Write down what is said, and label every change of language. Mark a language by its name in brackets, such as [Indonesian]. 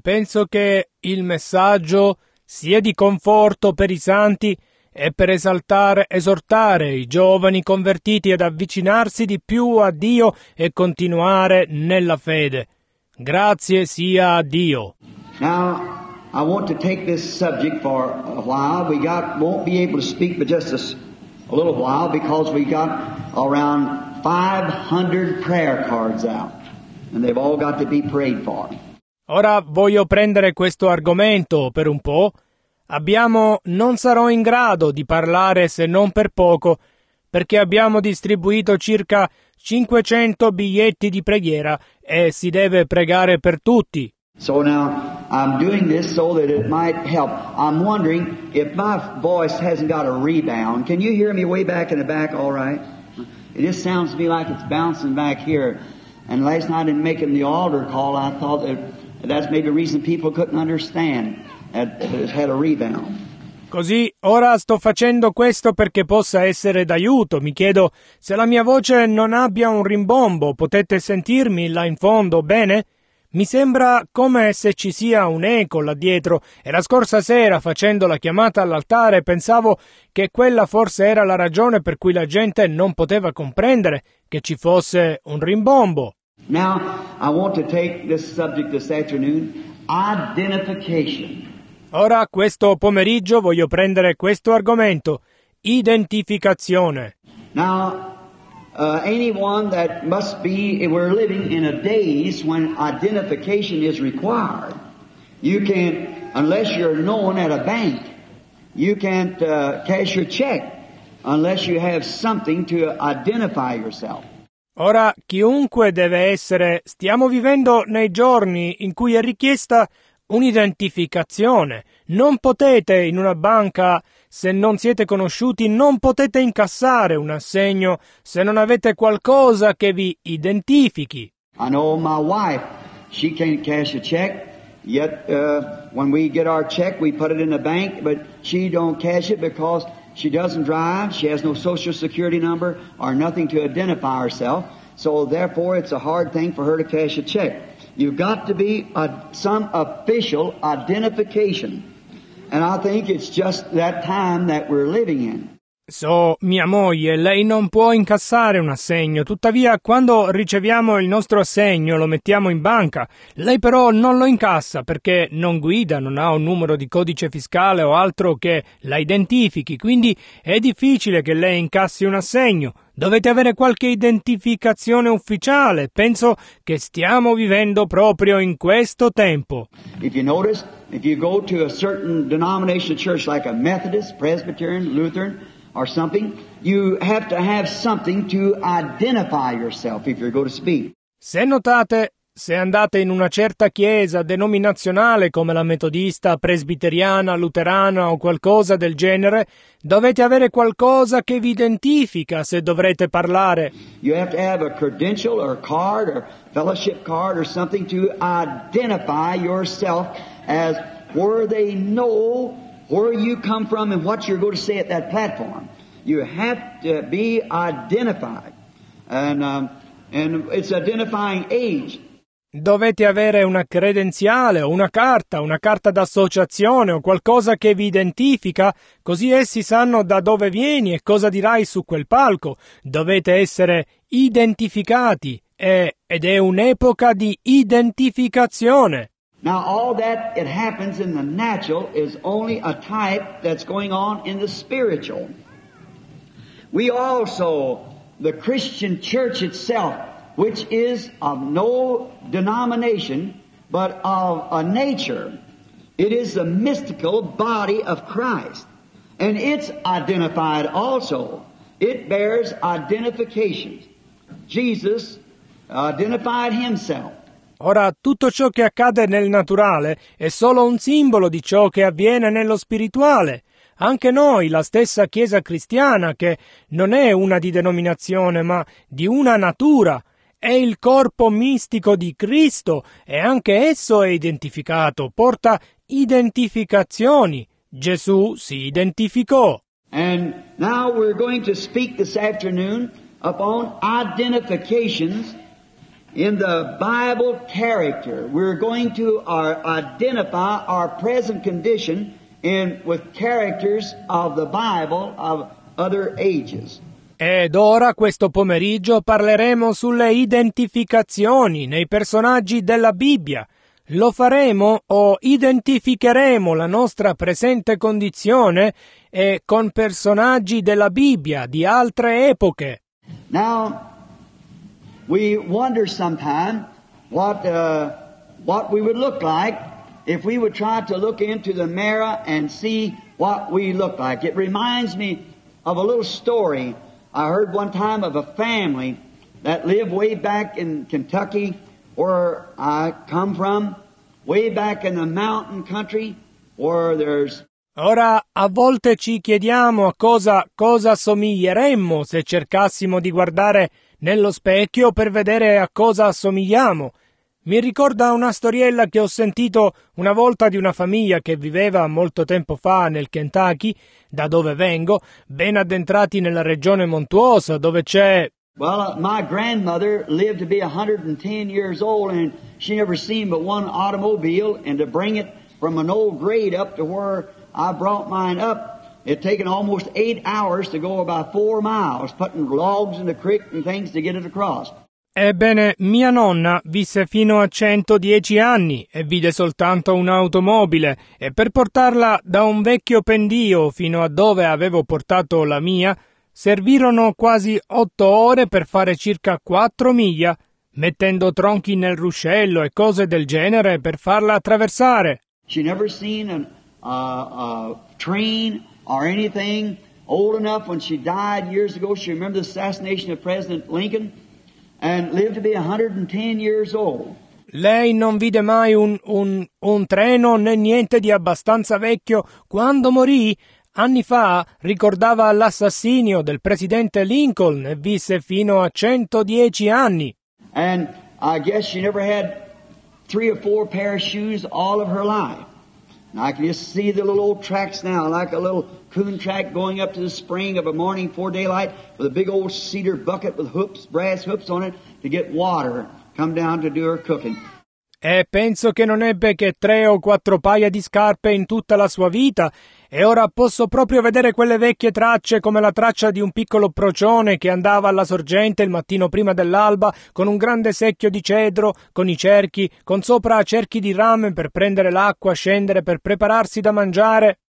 [Italian] Penso che il messaggio sia di conforto per i santi e per esortare i giovani convertiti ad avvicinarsi di più a Dio e continuare nella fede. Grazie sia a Dio. [English] Now I want to take this subject for a while. We got won't be able to speak but just a little while because we got around 500 prayer cards out and they've all got to be prayed for. [Italian] Ora voglio prendere questo argomento per un po'. Non sarò in grado di parlare se non per poco, perché abbiamo distribuito circa 500 biglietti di preghiera e si deve pregare per tutti. [English] So now I'm doing this so that it might help. I'm wondering if my voice hasn't got a rebound. Can you hear me way back in the back all right? It just sounds to me like it's bouncing back here. And last night in making the altar call, I thought that's maybe the reason people couldn't understand. Had a rebound. [Italian] Così ora sto facendo questo perché possa essere d'aiuto. Mi chiedo se la mia voce non abbia un rimbombo. Potete sentirmi là in fondo bene? Mi sembra come se ci sia un eco là dietro. E la scorsa sera, facendo la chiamata all'altare, pensavo che quella forse era la ragione per cui la gente non poteva comprendere che ci fosse un rimbombo. [English] Now I want to take this subject this afternoon: identification. [Italian] Ora questo pomeriggio voglio prendere questo argomento, identificazione. [English] Now, anyone that must be, we're living in a days when identification is required. You can't, unless you're known at a bank, you can't cash your check unless you have something to identify yourself. [Italian] Ora chiunque deve essere, stiamo vivendo nei giorni in cui è richiesta un'identificazione. Non potete in una banca, se non siete conosciuti, non potete incassare un assegno se non avete qualcosa che vi identifichi. [English] I know my wife, she can't cash a check, yet when we get our check we put it in the bank, but she don't cash it because she doesn't drive, she has no social security number or nothing to identify herself, so therefore it's a hard thing for her to cash a check. You've got to be some official identification. And I think it's just that time that we're living in. [Italian] So, mia moglie, lei non può incassare un assegno. Tuttavia, quando riceviamo il nostro assegno, lo mettiamo in banca. Lei però non lo incassa perché non guida, non ha un numero di codice fiscale o altro che la identifichi. Quindi è difficile che lei incassi un assegno. Dovete avere qualche identificazione ufficiale. Penso che stiamo vivendo proprio in questo tempo. [English] If you notice, if you go to a certain denomination church like a Methodist, Presbyterian, Lutheran, or something, you have to have something to identify yourself if you're going to speak. [Italian] Se notate, se andate in una certa chiesa denominazionale come la metodista, presbiteriana, luterana o qualcosa del genere, dovete avere qualcosa che vi identifica se dovrete parlare. [English] You have to have a credential or a card or fellowship card or something to identify yourself as where they know where you come from and what you're going to say at that platform. You have to be identified. And it's identifying age. [Italian] Dovete avere una credenziale o una carta d'associazione o qualcosa che vi identifica, così essi sanno da dove vieni e cosa dirai su quel palco. Dovete essere identificati ed è un'epoca di identificazione. [English] Now all that it happens in the natural is only a type that's going on in the spiritual. We also, the Christian church itself, which is of no denomination, but of a nature, it is the mystical body of Christ. And it's identified also. It bears identifications. Jesus identified himself. [Italian] Ora, tutto ciò che accade nel naturale è solo un simbolo di ciò che avviene nello spirituale. Anche noi, la stessa Chiesa cristiana, che non è una di denominazione, ma di una natura, è il corpo mistico di Cristo e anche esso è identificato, porta identificazioni. Gesù si identificò. [English] And now we're going to speak this afternoon upon identifications In the Bible character, we're going to identify our present condition with characters of the Bible of other ages. [Italian] Ed ora, questo pomeriggio, parleremo sulle identificazioni nei personaggi della Bibbia. Lo faremo o identificheremo la nostra presente condizione con personaggi della Bibbia di altre epoche. [English] Now, we wonder sometimes what we would look like if we would try to look into the mirror and see what we look like. It reminds me of a little story I heard one time of a family that lived way back in Kentucky, where I come from, way back in the mountain country, where there's... [Italian] Ora, a volte ci chiediamo a cosa somiglieremmo se cercassimo di guardare nello specchio per vedere a cosa assomigliamo. Mi ricorda una storiella che ho sentito una volta di una famiglia che viveva molto tempo fa nel Kentucky, da dove vengo, ben addentrati nella regione montuosa, dove c'è... [English] Well, my grandmother lived to be 110 years old and she never seen but one automobile, and to bring it from an old grade up to where I brought mine up, it taken almost 8 hours to go about 4 miles, putting logs in the creek and things to get it across. [Italian] Ebbene, mia nonna visse fino a 110 anni e vide soltanto un'automobile, e per portarla da un vecchio pendio fino a dove avevo portato la mia, servirono quasi 8 ore per fare circa 4 miglia, mettendo tronchi nel ruscello e cose del genere per farla attraversare. [English] She never seen a train or anything old enough. When she died years ago, she remembered the assassination of President Lincoln and lived to be 110 years old. [Italian] Lei non vide mai un treno né niente di abbastanza vecchio quando morì. Anni fa ricordava l'assassinio del presidente Lincoln e visse fino a 110 anni. [English] And I guess she never had 3 or 4 pair of shoes all of her life. And I can just see the little old tracks now, like a little coon track going up to the spring of a morning before daylight with a big old cedar bucket with hoops, brass hoops on it to get water, come down to do her cooking. [Italian] E penso che non ebbe che 3 o 4 paia di scarpe in tutta la sua vita, e ora posso proprio vedere quelle vecchie tracce, come la traccia di un piccolo procione che andava alla sorgente il mattino prima dell'alba, con un grande secchio di cedro, con i cerchi, con sopra cerchi di rame per prendere l'acqua, scendere per prepararsi da mangiare.